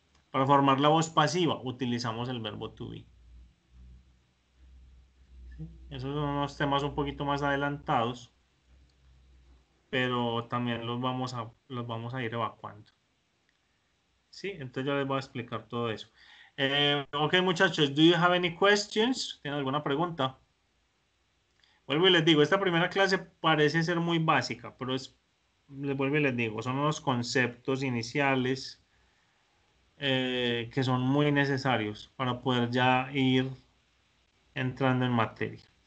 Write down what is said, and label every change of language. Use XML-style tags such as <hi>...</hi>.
<es>Para formar la voz pasiva, utilizamos el verbo to be. Esos son unos temas un poquito más adelantados, pero también los vamos a ir evacuando. ¿Sí? Entonces yo les voy a explicar todo eso.</es> <en>Ok,</en> <es>muchachos,</es> <en>do you have any questions?</en> <es>¿Tienen alguna pregunta? Vuelvo y les digo, esta primera clase parece ser muy básica, pero son unos conceptos iniciales que son muy necesarios para poder ya ir entrando en materia.</es>